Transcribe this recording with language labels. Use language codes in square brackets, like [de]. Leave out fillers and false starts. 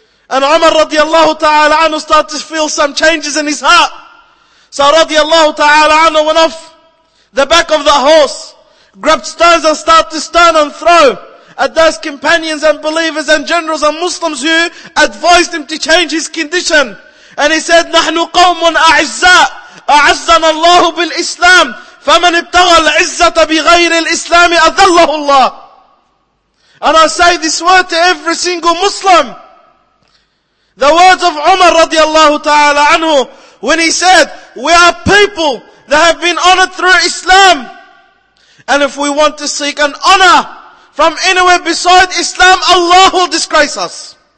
[en] And Umar radiallahu ta'ala anhu started to feel some changes in his heart. So radiallahu ta'ala anhu went off the back of the horse, grabbed stones and started to stone and throw at those companions and believers and generals and Muslims who advised him to change his condition. And he said, [ar] "Nahnu qawmun a'izza. أعزنا الله بالإسلام فمن ابتغى العزة بغير الإسلام أذله الله." [en] And I say this word to every single Muslim. The words of Umar radiallahu ta'ala anhu, when he said, "We are people that have been honored through Islam. And if we want to seek an honor from anywhere beside Islam, Allah will disgrace us.